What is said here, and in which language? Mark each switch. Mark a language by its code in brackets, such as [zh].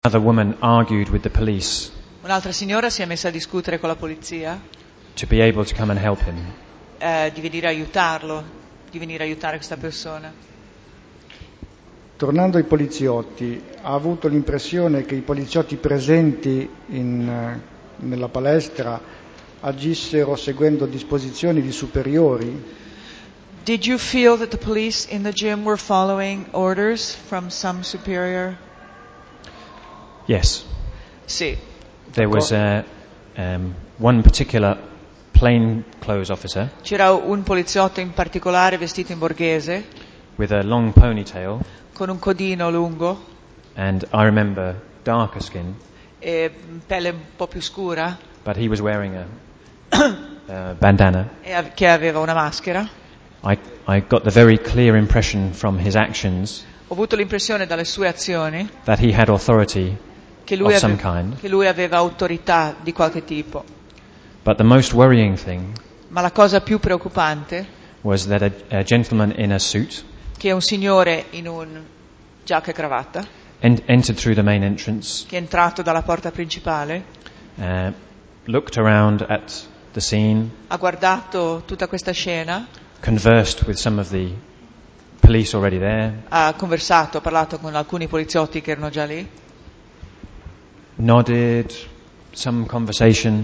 [en] Another woman argued with the police. [it] Un'altra signora si è messa a discutere con la polizia. [en] To be able to come and help him. [it] Di venire aiutare questa persona. Tornando ai poliziotti, ha avuto l'impressione che i poliziotti presenti nella palestra agissero seguendo disposizioni di superiori? [en] Did you feel that the police in the gym were following orders from some superior? Yes. [it] Sì. [en] There was one particular plain clothes officer. [it] C'era un poliziotto in particolare vestito in borghese. [en] With a long ponytail. [it] Con un codino lungo. [en] And I remember darker skin. [it] E pelle un po' più scura. [en] But he was wearing a bandana. [it] E che aveva una maschera. [en] I got the very clear impression from his actions. [it] Ho avuto l'impressione dalle sue azioni. [en] That he had authority. [it] Che lui aveva autorità di qualche tipo. [en] But the most worrying thing. [it] Ma la cosa più preoccupante. [en] Was that a gentleman in a suit. [it] Che un signore in un giacca e cravatta. [en] Entered through the main entrance. [it] Che è entrato dalla porta principale. [en] Looked around at the scene. [it] Ha guardato tutta questa scena. [en] Conversed with some of the police already there. [it] Ha conversato, ha parlato con alcuni poliziotti che erano già lì. [en] Nodded, some conversation.